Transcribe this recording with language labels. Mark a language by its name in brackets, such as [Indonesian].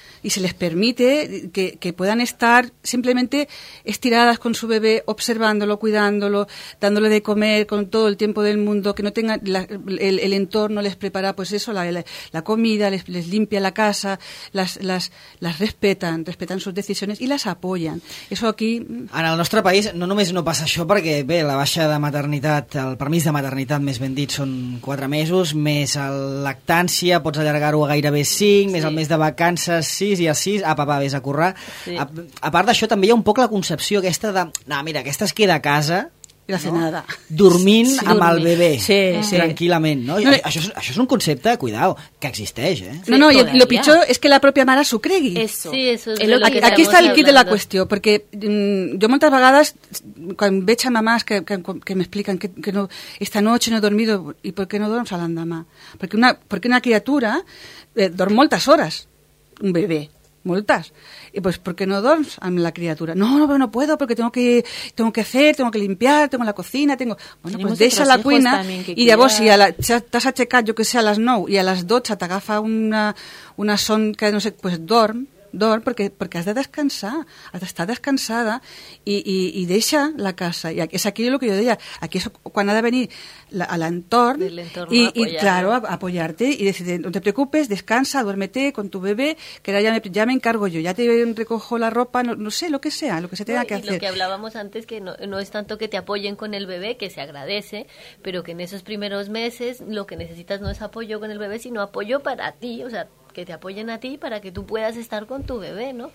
[Spanish] Y se les permite que puedan estar simplemente estiradas con su bebé, observándolo, cuidándolo, dándole de comer con todo el tiempo del mundo, que no tenga el entorno les prepara pues eso, la comida, les limpia la casa, las respetan sus decisiones y las apoyan. Eso aquí... [Catalan] En el nostre país no només no passa això, perquè bé, la baixa de maternitat, el permís de maternitat més ben dit són 4 mesos, més lactància, pots allargar-ho a gairebé 5, sí, més el mes de vacances... sis i a sis, apa, vés a currar. Sí. A part d'això, també hi ha un poc la concepció aquesta de... No, mira, aquesta es queda a casa... I la cenada. No? Dormint sí, amb el bebè, sí, tranquil·lament. No? No, això és un concepte, cuidado, que existeix. Sí, no, i lo pitjor és que la pròpia mare s'ho cregui. [Spanish] Eso. Sí, eso es lo que [Catalan] aquí està el kit de la qüestió, perquè jo moltes vegades, quan veig a mamàs que m'expliquen que no, [Spanish] esta noche no he dormido, [Catalan] i per què no dorms a l'endemà? Perquè una criatura dorm moltes hores. Un bebé, moltes. I pues, [Spanish] ¿por qué no [Catalan] dorms amb la criatura? [Spanish] No puedo, porque tengo que hacer, tengo que limpiar, tengo la cocina, tengo... [Catalan] Bueno, tenim pues deixa la cuina i llavors si t'has aixecat, jo que sé, a les 9 i a les 12 t'agafa una son que no sé, pues dorm perquè has de descansar, has d'estar descansada i deixa la casa. I és aquí el que jo deia, aquí és quan ha de venir a l'entorn i [Spanish] claro, apoyarte i decir, no te preocupes, descansa, duérmete con tu bebé, que ahora ya me encargo yo, ya te recojo la ropa, no sé, lo que sea tenga que hacer. Y lo que hablábamos antes, que no es tanto que te apoyen con el bebé, que se agradece, pero que en esos primeros meses lo que necesitas no es apoyo con el bebé, sino apoyo para ti, o sea, que te apoyen a ti para que tú puedas estar con tu bebé, ¿no?